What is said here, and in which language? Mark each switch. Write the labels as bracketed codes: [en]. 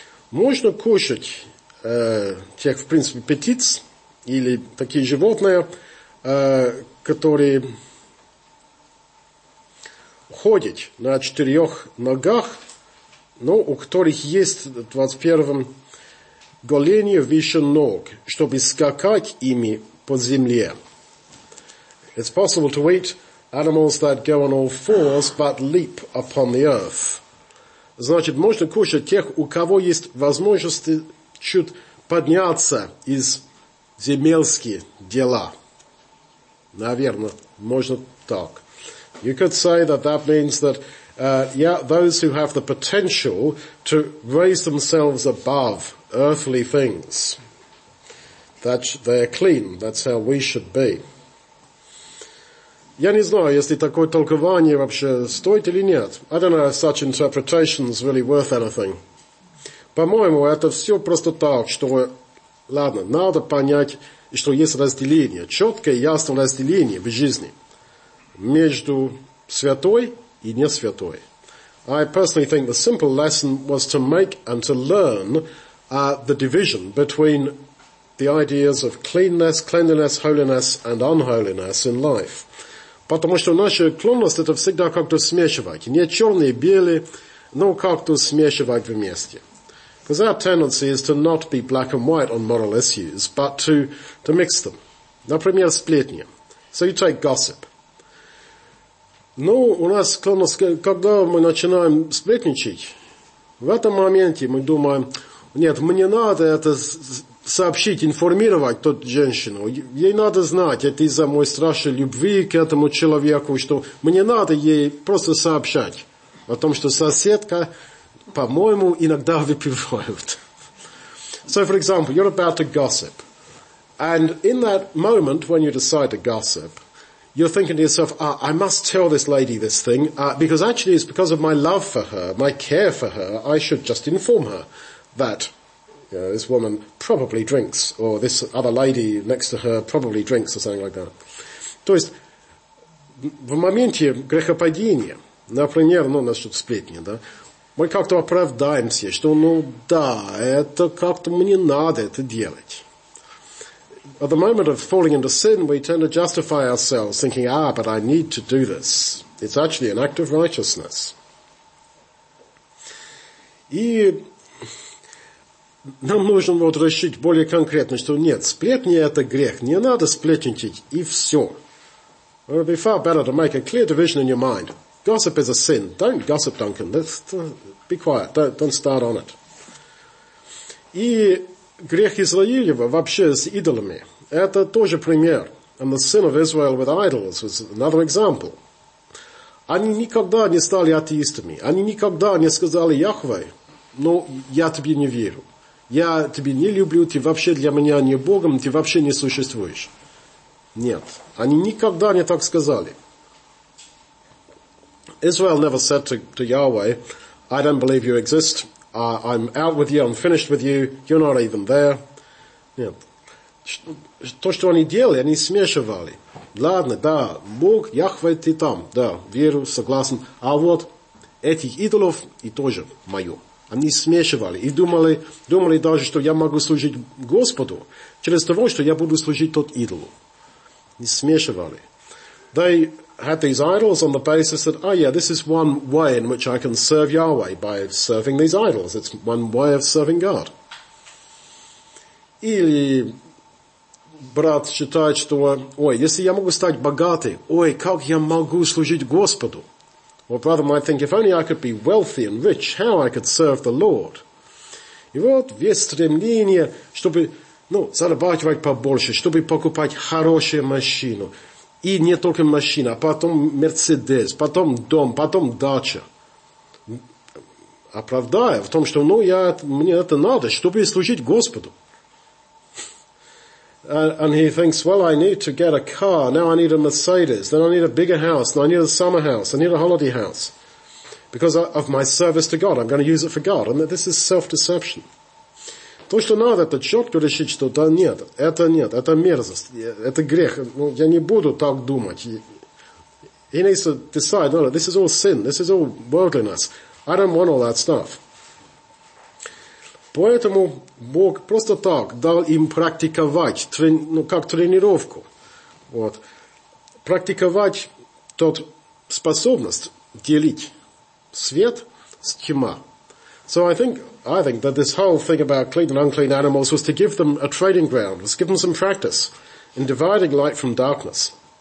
[ru] Можно кушать тех, в принципе, птиц, или такие животные, которые ходят на четырех ногах, но у которых есть, в 21-м, голени выше ног, чтобы скакать ими по земле. [en] It's possible to eat animals that go on all fours, but leap upon the earth. [ru] Значит, можно кушать тех, у кого есть возможность чуть подняться из земельские дела. Наверное, можно так. [en] You could say that means that those who have the potential to raise themselves above earthly things, that they're clean. That's how we should be. [ru] Я не знаю, если такое толкование вообще стоит или нет. [en] I don't know if such interpretation is really worth anything. [ru] По-моему, это все просто так, что Ладно, надо понять, что есть разделение, четкое и ясное разделение в жизни между святой и не святой. [en] I personally think the simple lesson was to make and to learn the division between the ideas of cleanness, cleanliness, holiness and unholiness in life. [ru] Потому что наша склонность это всегда как-то смешивать. Не черные, белые, но как-то смешивать вместе. [en] Because our tendency is to not be black and white on moral issues, but to mix them. [ru] Например, сплетни. [en] So you take gossip. [ru] Ну, у нас склонность, когда мы начинаем сплетничать, в этом моменте мы думаем, нет, мне надо это сообщить, информировать тот женщину. Ей надо знать, это из-за моей страшной любви к этому человеку, что мне надо ей просто сообщать о том, что соседка, по-моему, иногда выпивает. [en] So, for example, you're about to gossip. And in that moment, when you decide to gossip, you're thinking to yourself, I must tell this lady this thing, because actually it's because of my love for her, my care for her, I should just inform her that this woman probably drinks, or this other lady next to her probably drinks, or something like that. [ru] То есть, в моменте грехопадения, например, ну, насчет сплетни, да, мы как-то оправдаемся, что, ну, да, это как-то мне надо это делать. [en] At the moment of falling into sin, we tend to justify ourselves, thinking, but I need to do this. It's actually an act of righteousness. [ru] И нам нужно вот решить более конкретно, что нет, сплетни – это грех. Не надо сплетничать, и все. [en] It would be far better to make a clear division in your mind. Gossip is a sin. Don't gossip, Duncan. Be quiet. Don't start on it. [ru] И грех Израилева вообще с идолами – это тоже пример. [en] And the sin of Israel with idols was another example. [ru] Они никогда не стали атеистами. Они никогда не сказали Яхве, ну, я тебе не верю. Я тебе не люблю, ты вообще для меня не Богом, ты вообще не существуешь. Нет. Они никогда не так сказали. [en] Israel never said to Yahweh, I don't believe you exist. I'm out with you, I'm finished with you, you're not even there. [ru] Нет. То, что они делали, они смешивали. Ладно, да, Бог, Яхве, ты там. Да, веру, согласен. А вот этих идолов и тоже мою. Они смешивали и думали даже, что я могу служить Господу через того, что я буду служить тот идолу. Они смешивали. [en] They had these idols on the basis that, this is one way in which I can serve Yahweh, by serving these idols. It's one way of serving God. [ru] Или брат считает, что, если я могу стать богатым, как я могу служить Господу? [en] Or brother might think, if only I could be wealthy and rich, how I could serve the Lord. [ru] И вот весь стремление, чтобы, зарабатывать побольше, чтобы покупать хорошую машину. И не только машина, а потом Мерседес, потом дом, потом дача. Оправдая в том, что, мне это надо, чтобы служить Господу. [en] And he thinks, I need to get a car, now I need a Mercedes, then I need a bigger house, then I need a summer house, I need a holiday house. Because of my service to God, I'm going to use it for God. And this is self-deception. [ru] То, что надо, это четко решить, что да нет, это мерзость, это грех. Ну, я не буду так думать. [en] He needs to decide, no, this is all sin, this is all worldliness. I don't want all that stuff. [ru] Поэтому Бог просто так дал им практиковать, как тренировку. Вот. Практиковать тот способность делить свет с тьма. [en] So I think that this whole thing about clean and unclean animals was to give them a training ground, was to give them some practice in dividing light from darkness.